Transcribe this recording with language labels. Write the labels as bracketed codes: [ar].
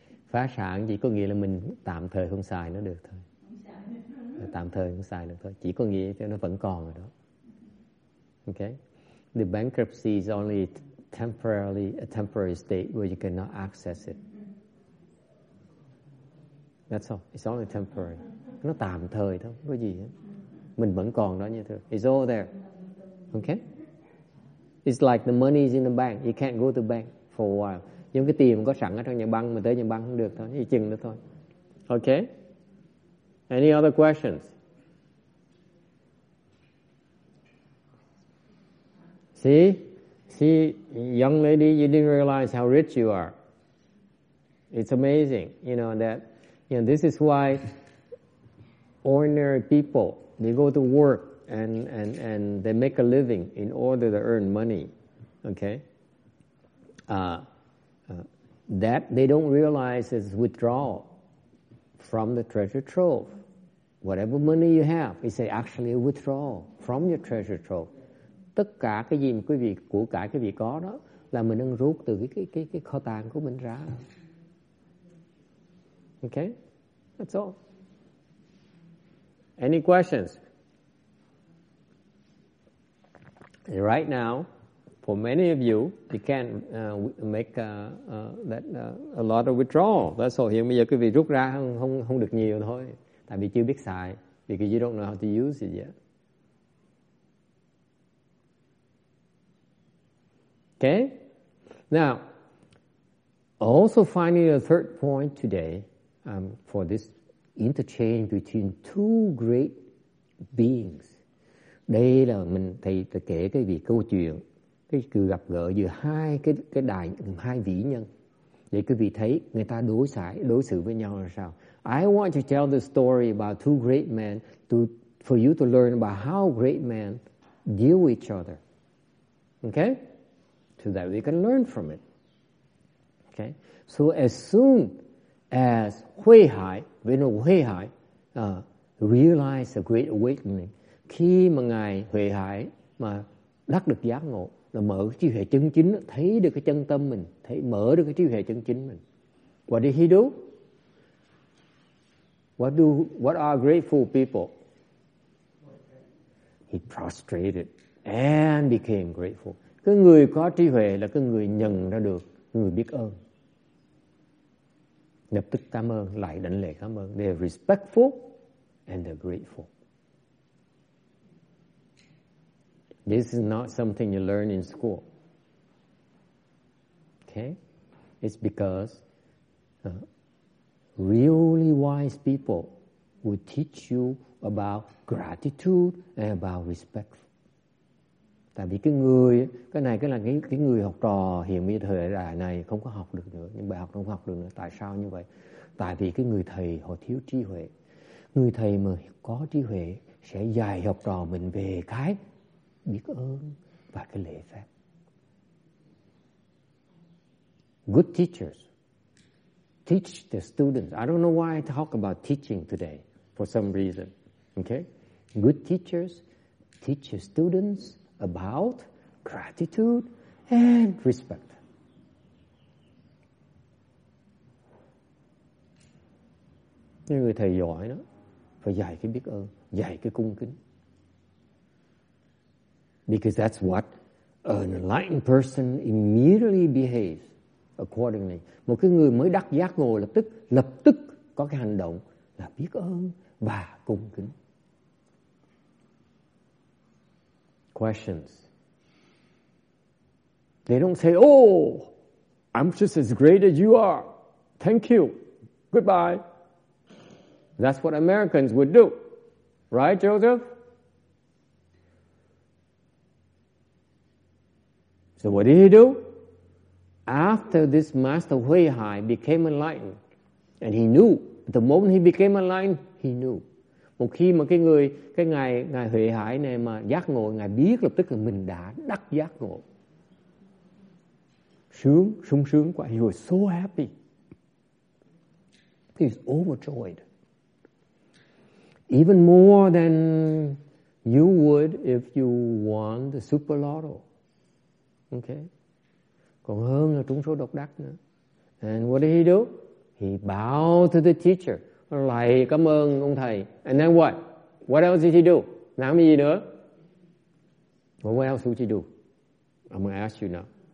[vi] Phá sản chỉ có nghĩa là mình tạm thời không xài nó được thôi. Tạm thời không xài được thôi. Chỉ có nghĩa cho nó vẫn còn ở đó. [en] Okay. The bankruptcy is only temporarily a temporary state where you cannot access it. That's all. It's only temporary. [vi] Nó tạm thời thôi, không có gì hết. Mình vẫn còn đó như thế. [en] It's all there. Okay? It's like the money is in the bank. You can't go to the bank for a while. [vi] Những cái tiền có sẵn ở trong nhà băng, mình tới nhà băng không được thôi. Chỉ chừng đó thôi. [en] Okay? Any other questions? See? See, young lady, you didn't realize how rich you are. It's amazing, you know, that, you know, this is why ordinary people, they go to work and they make a living in order to earn money, okay? That they don't realize is withdrawal from the treasure trove. Whatever money you have, it's actually a withdrawal from your treasure trove. [vi] Tất cả cái gì mà quý vị của cải quý vị có đó là mình đang rút từ cái kho tàng của mình ra. [en] Okay? That's all. Any questions? Right now, for many of you, you can't make a lot of withdrawal. That's all. [vi] Hiện bây giờ quý vị rút ra không được nhiều thôi. Tại vì chưa biết xài. [en] Because you don't know how to use it yet. Okay? Now, also finding a third point today for this interchange between two great beings. [vi] Đây là mình thầy đã kể cái vị câu chuyện, cái sự gặp gỡ giữa hai vị nhân. Để quý vị thấy người ta đối xử với nhau là sao. [en] I want to tell the story about two great men for you to learn about how great men deal with each other. Okay? So that we can learn from it. Okay? So as soon as Venerable Huệ Hải realized a great awakening, [vi] khi mà Ngài Huệ Hải mà đắc được giác ngộ, là mở trí huệ chân chính, thấy được cái chân tâm mình, thấy mở được cái trí huệ chân chính mình. [en] What did he do? What are grateful people? He prostrated and became grateful. [vi] Cái người có trí huệ là cái người nhận ra được, người biết ơn. Lập tức cảm ơn, lại đảnh lễ cảm ơn. [en] They are respectful and they are grateful. This is not something you learn in school. Okay? It's because really wise people will teach you about gratitude and about respect. [vi] Tại vì cái người, cái này cái là cái người học trò hiện bây giờ thời đại này không có học được nữa, những bài học không học được nữa. Tại sao như vậy? Tại vì cái người thầy họ thiếu trí huệ. Người thầy mà có trí huệ sẽ dạy học trò mình về cái biết ơn và cái lễ phép. [en] Good teachers teach the students. I don't know why I talk about teaching today for some reason. Okay? Good teachers teach the students about gratitude and respect. [vi] Những người thầy giỏi đó phải dạy cái biết ơn, dạy cái cung kính. [en] Because that's what an enlightened person immediately behaves accordingly. [vi] Một cái người mới đắc giác ngộ lập tức có cái hành động là biết ơn và cung kính. [en] Questions. They don't say, oh, I'm just as great as you are. Thank you. Goodbye. That's what Americans would do. Right, Joseph? So what did he do? After this Master Huệ Hải became enlightened, and he knew, the moment he became enlightened, he knew. [vi] Một khi mà ngài Huệ Hải này mà giác ngộ, ngài biết lập tức là mình đã đắc giác ngộ. Sướng, sung sướng quá. [en] He was so happy. He was overjoyed. Even more than You would if you won the super lotto. Okay? [vi] Còn hơn là trúng số độc đắc nữa. [en] And what did he do? He bowed to the teacher. [vi] Lạy cảm ơn ông thầy. [en] And then what? What else did he do? [vi] Làm gì nữa? [en] Well, what else would he do? I'm going to ask you now.